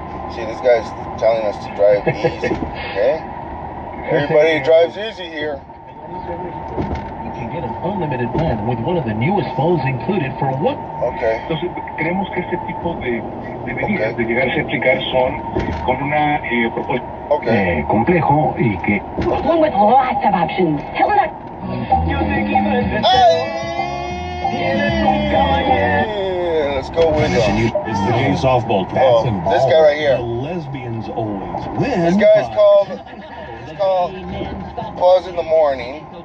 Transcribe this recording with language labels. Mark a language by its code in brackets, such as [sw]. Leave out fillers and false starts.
[en] See, this guy's telling us to drive easy, okay? Everybody drives easy here. You can get an unlimited plan with one of the newest phones included for what? Okay. [es] Entonces, creemos que este tipo de medidas de llegar a certificar son con una propuesta complejo y que... [en] One with lots of options. Tell it up. Let's go with him. This is the new softball pass. Oh, this guy right here. The lesbians always win. This guy is called Buzz in the Morning.